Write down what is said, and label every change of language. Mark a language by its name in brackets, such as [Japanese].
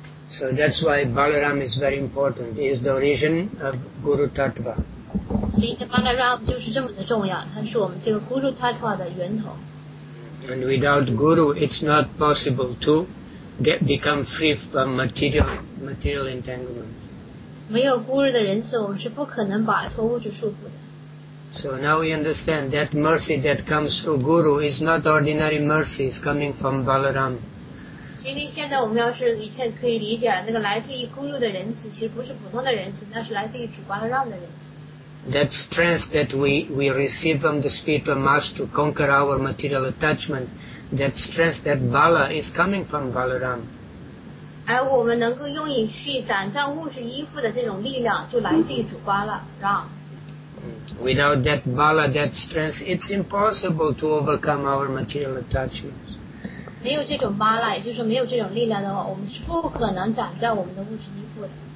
[English] So that's why Balaram is very important. He is the origin of Guru Tattva. [Chinese] 所以这 Balaram 就是这么的重要，它是我们这个 Guru Tattva 的源头。 [English] And without Guru, it's not possible to become free from material entanglement. [Chinese] 没有 Guru 的仁慈，我们是不可能摆脱物质束缚的。 [English] So now we understand that mercy that comes through Guru is not ordinary mercy. It's coming from Balaram. [Chinese] 因为现在我们要是一切可以理解，那个来自于 Guru 的仁慈，其实不是普通的仁慈，那是来自于主 Balaram 的仁慈。 [English] That strength that we receive from the spiritual master to conquer our material attachment, that strength, that bala is coming from Balaram. [Chinese] 而我们能够用以去斩断物质依附的这种力量，就来自于主 Balaram。 [English] Without that bala, that strength, it's impossible to overcome our material attachments. [Chinese] 没有这种巴拉，也就是说没有这种力量的话，我们是不可能斩掉我们的物质依附的。